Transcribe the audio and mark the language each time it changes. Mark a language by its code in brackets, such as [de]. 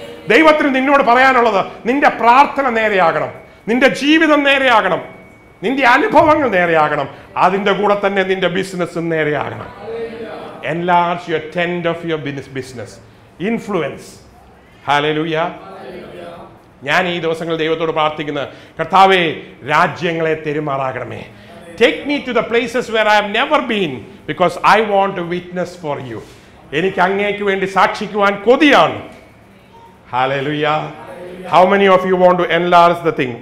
[ml] ദൈവത്തിന് നിന്നോട് പറയാനുള്ളത്, നിന്റെ പ്രാർത്ഥന നേരെയാകണം, നിന്റെ ജീവിതം നേരെയാകണം, നിന്റെ അനുഭവങ്ങൾ നേരെയാകണം, അതിന്റെ കൂടെ തന്നെ നിന്റെ ബിസിനസ്സും നേരെയാകണം. [en] Enlarge your tent of your business, influence. Hallelujah. [ml] ഞാൻ ഈ ദിവസങ്ങളിൽ ദൈവത്തോട് പ്രാർത്ഥിക്കുന്നത്, കർത്താവേ രാജ്യങ്ങളെ തെരുമാറാകണമേ. [en] Take me to the places where I have never been because I want to witness for you. [ml] എനിക്ക് അങ്ങേക്ക് വേണ്ടി സാക്ഷിക്കുവാൻ കൊതിയാണ്. [en] Hallelujah. How many of you want to enlarge the thing?